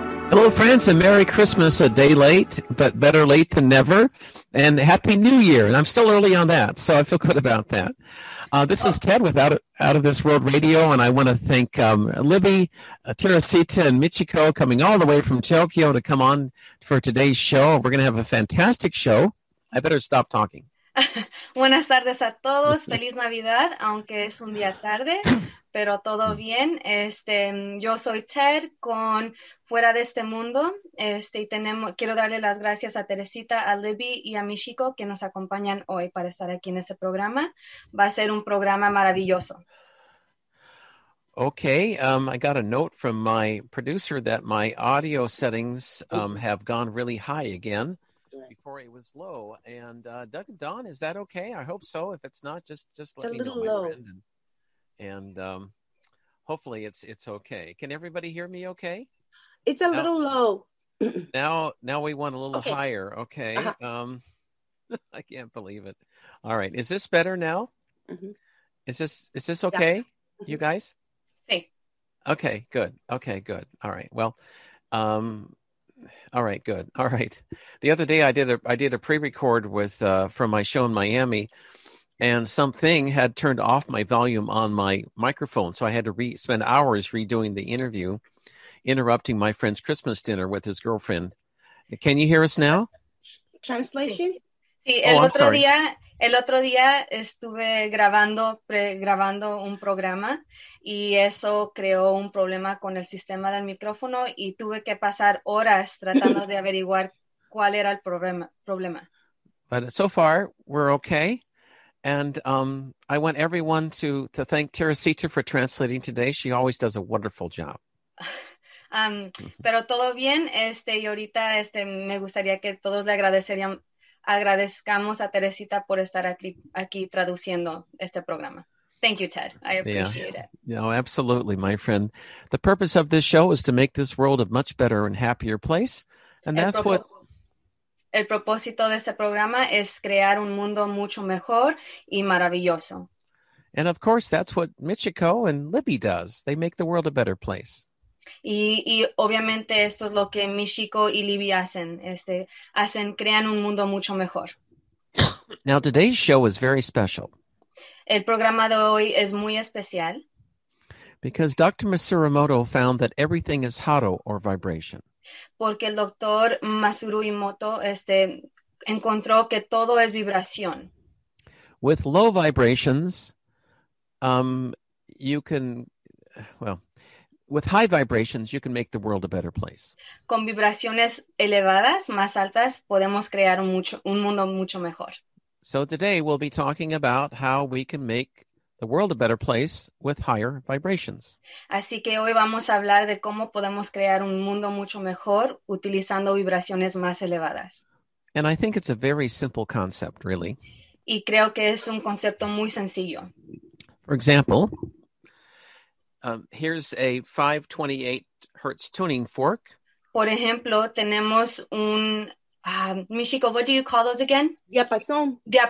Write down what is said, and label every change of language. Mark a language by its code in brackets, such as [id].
[en] Hello, friends, and Merry Christmas, a day late, but better late than never, and Happy New Year, and I'm still early on that, so I feel good about that. This is Ted with Out of This World Radio, and I want to thank Libby, Teresita, and Michiko coming all the way from Tokyo to come on for today's show. We're going to have a fantastic show. I better stop talking. [es] Buenas tardes a todos. Feliz Navidad, aunque es un día tarde. Pero todo bien. Yo soy Ted con Fuera de Este Mundo. Y quiero darle las gracias a Teresita, a Libby y a Michiko que nos acompañan hoy para estar aquí en este programa. Va a ser un programa maravilloso. [en] Okay, I got a note from my producer that my audio settings have gone really high again. Before it was low. And Doug and Don, is that okay? I hope so. If it's not, just let it's me know, my low. Friend. And hopefully it's okay. Can everybody hear me okay? It's a now, little low. now we want a little okay. Higher. Okay. I can't believe it. All right. Is this better now? Mm-hmm. Is this okay, yeah. You guys? Hey. Okay, good. Okay, good. All right. Well, all right, good. All right. The other day I did a pre-record with from my show in Miami. And something had turned off my volume on my microphone. So I had to spend hours redoing the interview, interrupting my friend's Christmas dinner with his girlfriend. Can you hear us now? Translation? [es] Sí, el otro día estuve grabando un programa y eso creó un problema con el sistema del micrófono y tuve que pasar horas tratando de averiguar cuál era el problema. [en] But so far, we're okay. And I want everyone to thank Teresita for translating today. She always does a wonderful job. [es] Pero todo bien. Y ahorita me gustaría que todos le agradezcamos a Teresita por estar aquí traduciendo este programa. [en] Thank you, Ted. I appreciate it. No, absolutely, my friend. The purpose of this show is to make this world a much better and happier place. And that's what... [es] El propósito de este programa es crear un mundo mucho mejor y maravilloso. [en] And of course, that's what Michiko and Libby does. They make the world a better place. [es] Y obviamente esto es lo que Michiko y Libby hacen. Crean un mundo mucho mejor. [en] Now, today's show is very special. [es] El programa de hoy es muy especial. [en] Because Dr. Masurumoto found that everything is haro or vibration. [es] Porque el doctor Masaru Emoto encontró que todo es vibración. [en] With low vibrations, you can, well, with high vibrations, you can make the world a better place. [es] Con vibraciones elevadas, más altas, podemos crear un mundo mucho mejor. [en] So today we'll be talking about how we can make the world a better place with higher vibrations. [es] Así que hoy vamos a hablar de cómo podemos crear un mundo mucho mejor utilizando vibraciones más elevadas. [en] And I think it's a very simple concept, really. [es] Y creo que es un concepto muy sencillo. [en] For example, here's a 528 hertz tuning fork. [es] Por ejemplo, tenemos un [en] Michiko, what do you call those again? [es] Diapasón.